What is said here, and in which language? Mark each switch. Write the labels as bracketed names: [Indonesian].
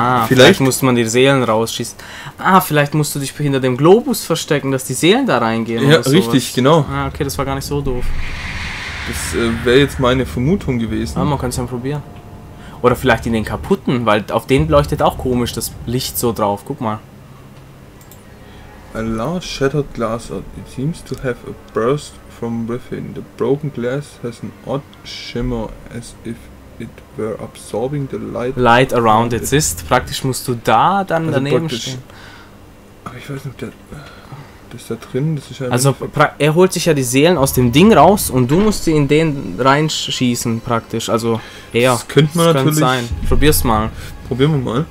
[German] Vielleicht muss man die Seelen rausschießen. Vielleicht musst du dich hinter dem Globus verstecken, dass die Seelen da reingehen. Ja, oder richtig, sowas. Genau. Okay, das war gar nicht so doof. Das wäre jetzt meine Vermutung gewesen. Man kann es ja probieren. Oder vielleicht in den kaputten, weil auf den leuchtet auch komisch das Licht so drauf. Guck mal. [English] A large shattered glass. It seems to have a burst from within. The broken glass has an odd shimmer as if it were absorbing the light. Light around it. Ist. [German] Praktisch musst du da dann also daneben stehen. Aber ich weiß nicht, ob der... Ist da drin, das ist ja also er holt sich ja die Seelen aus dem Ding raus und du musst sie in den reinschießen praktisch. Also er. Das könnte man das natürlich sein. Probier's mal. Probieren wir mal.